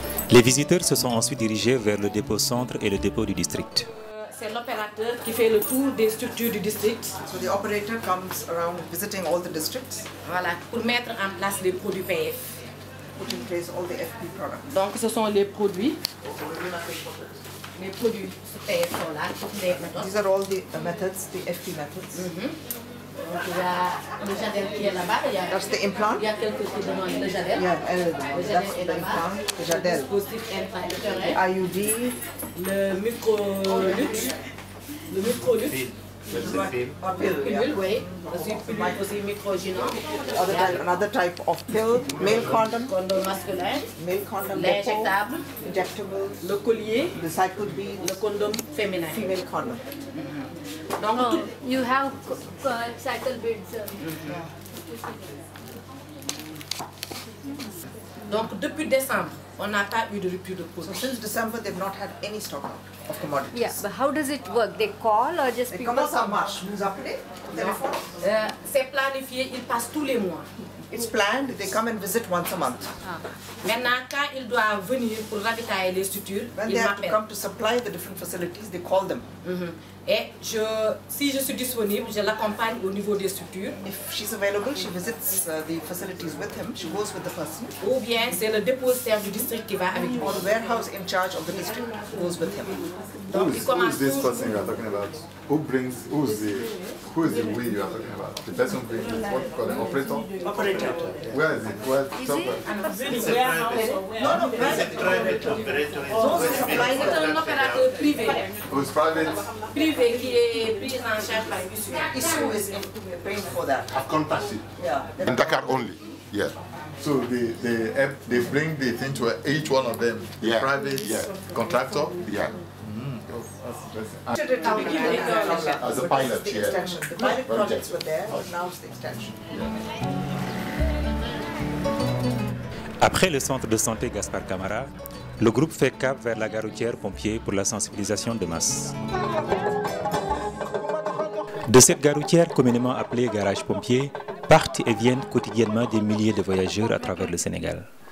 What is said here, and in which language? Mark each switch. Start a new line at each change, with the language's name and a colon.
French: Les visiteurs se sont ensuite dirigés vers le dépôt centre et le dépôt du district. C'est l'opérateur qui fait le tour des structures du district.
English: So the operator comes around visiting all the districts.
French: Voilà, pour mettre en place les produits PF.
English: Put in place all the FP products.
French: Donc ce sont les produits. Les produits PF sont là.
English: These are all the methods, the FP methods. Mm-hmm.
French: Donc, il y a le Jadel qui est là-bas.
English: That's the implant.
French: Il y a quelques qui demandent le Jadel.
English: Yeah,
French: le Jadel
English: that's
French: est
English: the
French: là-bas. Implant. Le Jadel. Le dispositif intra-utérin.
English: The IUD.
French: Le microlut. Le microlut.
English: Another type of pill, male condom,
French: condom masculin,
English: male condom,
French: injectable, le collier,
English: the side could be
French: le condom féminin,
English: female condom.
French: Mm-hmm. Donc,
English: you have cycle beads. Mm-hmm.
French: Donc depuis décembre, on n'a pas eu de rupture de quota.
English: So since December, they've not had any stock out of commodities. Yeah, but how does it work? They call or just they people? They come
French: en mars. Vous nous appelez au téléphone? C'est planifié, ils passent tous les mois.
English: It's planned, they come and visit once a month.
French: Maintenant, quand ils doivent venir pour ravitailler les structures,
English: when they have to come to supply the different facilities, they call them.
French: Et je, si je suis disponible, je l'accompagne au niveau des structures.
English: If she's available, she visits the facilities with him, she goes with the person.
French: Ou bien c'est le dépositaire du district qui va avec lui.
English: Or the warehouse in charge of the district goes with him. Who is this person you are talking about? Who is the we you are talking about? The person who brings this, what you call it, operator? Operator. Where is it? Where is it? It's a private operator. It's a private operator. It's a private operator. Who's private?
French: Privé, qui est pris en charge par
English: Issue. Issue is paying for that. I've contacted. Yeah. In Dakar only. Yeah. So they bring the thing to each one of them. Yeah. The private, yeah. Contractor. Yeah. As a pilot, the extension. The pilot projects were there, but now it's the extension.
French: Après le centre de santé Gaspard Camara, le groupe fait cap vers la gare routière pompier pour la sensibilisation de masse. De cette gare routière, communément appelée garage pompier, partent et viennent quotidiennement des milliers de voyageurs à travers le Sénégal.